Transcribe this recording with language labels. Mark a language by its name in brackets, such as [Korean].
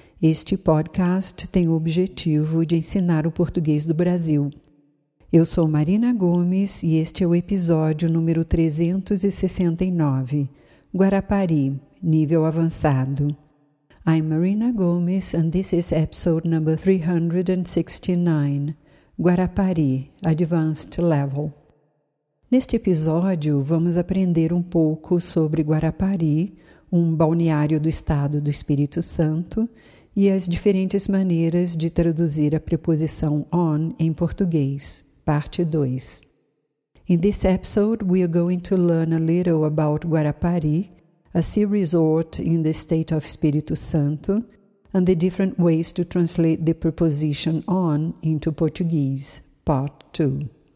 [Portuguese] Este podcast tem o objetivo de ensinar o português do Brasil. Eu sou Marina Gomes e este é o episódio número 369, Guarapari, nível avançado. [English] I'm Marina Gomes and this is episode number 369, Guarapari, Advanced Level. [Portuguese] Neste episódio, vamos aprender um pouco sobre Guarapari, um balneário do estado do Espírito Santo, e as diferentes maneiras de traduzir a preposição on em português, parte 2. [English] In this episode, we are going to learn a little about Guarapari, a sea resort in the state of Espírito Santo, and the different ways to translate the preposition on into Portuguese, part 2.